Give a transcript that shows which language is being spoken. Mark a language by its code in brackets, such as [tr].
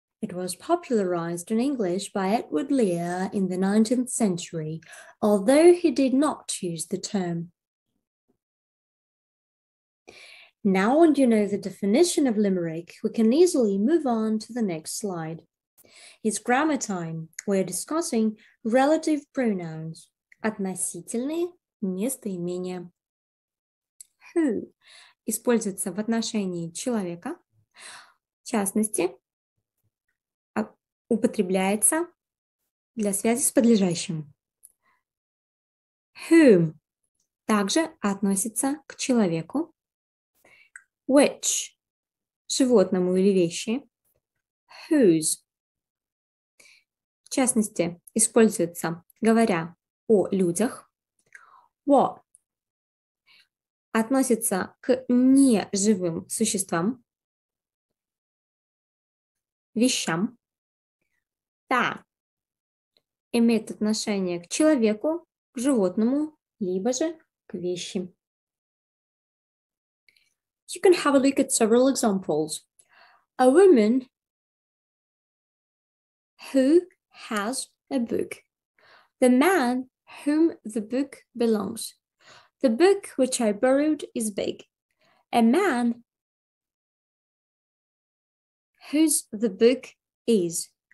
[en] It was popularized in English by Edward Lear in the 19th century, although he did not use the term. Now you know the definition of limerick, we can easily move on to the next slide. It's grammar time. We're discussing relative pronouns. [ru] Относительные местоимения. Who используется в отношении человека. В частности, употребляется для связи с подлежащим. Whom также относится к человеку. Which животному или вещи. Whose. В частности, используется, говоря о людях. What относится к неживым существам, вещам. That имеет отношение к человеку, к животному, либо же к вещи. [en] You can have a look at several examples. A woman who has a book. The man whom the book belongs. The book which I borrowed is big. A man whose the book is.